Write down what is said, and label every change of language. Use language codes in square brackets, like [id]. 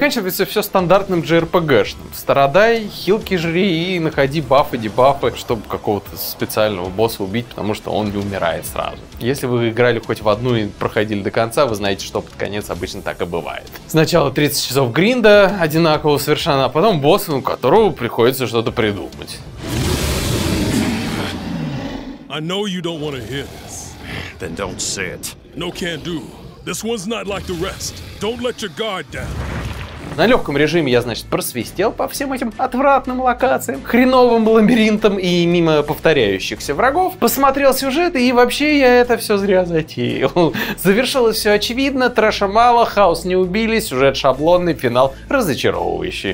[ru] Заканчивается все стандартно JRPG-шным. Страдай, хилки жри и находи бафы, дебафы, чтобы какого-то специального босса убить, потому что он не умирает сразу. Если вы играли хоть в одну и проходили до конца, вы знаете, что под конец обычно так и бывает. Сначала 30 часов гринда одинаково совершенно, а потом босс, у которого приходится что-то придумать. [en] I know you don't want to hear this. Then don't say it. No can do. This one's not like the rest. Don't let your guard down. [ru] На легком режиме я, значит, просвистел по всем этим отвратным локациям, хреновым лабиринтам и мимо повторяющихся врагов, посмотрел сюжет, и вообще я это все зря затеял. Завершилось все очевидно, трэша мало, хаос не убили, сюжет шаблонный, финал разочаровывающий.